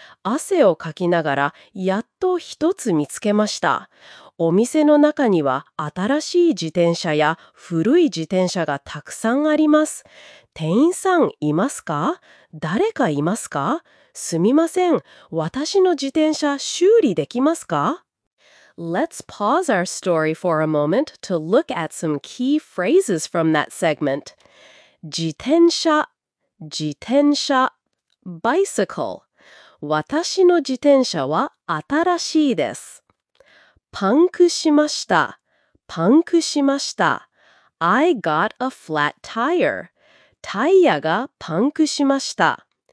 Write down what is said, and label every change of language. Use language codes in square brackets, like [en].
[ja] 汗をかきながら、やっと一つ見つけました。お店の中には新しい自転車や古い自転車がたくさんあります。店員さんいますか？誰かいますか？すみません。私の自転車修理できますか？ [en] Let's pause our story for a moment to look at some key phrases from that segment. [ja] 自転車、自転車、bicycle。私の自転車は新しいです。パンクしました、パンクしました。 [en] I got a flat tire. [ja] タイヤがパンクしました。